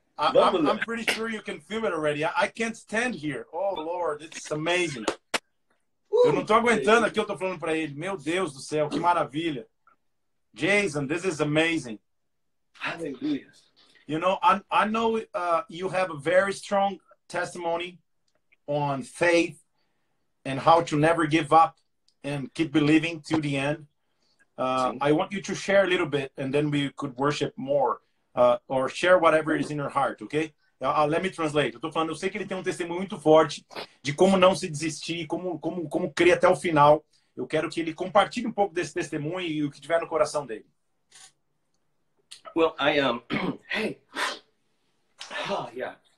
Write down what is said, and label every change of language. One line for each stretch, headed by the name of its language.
English: I'm pretty sure you can feel it already. I can't stand here. Oh, Lord. It's amazing.
Portuguese: Eu não tô aguentando aqui, eu tô falando pra ele. Meu Deus do céu, que maravilha. Jason,
English: this is amazing. Hallelujah. You know, I know you have a very strong testimony on faith and how to never give up and keep believing to the end. I want you to share a little bit and then we could worship more or share whatever is in your heart, okay? Let me translate.
Portuguese: Eu tô falando, eu sei que ele tem um testemunho muito forte de como não se desistir, como crer até o final. Eu quero que ele compartilhe um pouco desse testemunho e o que tiver no coração dele.
English: Well, I am. Hey. Oh, yeah.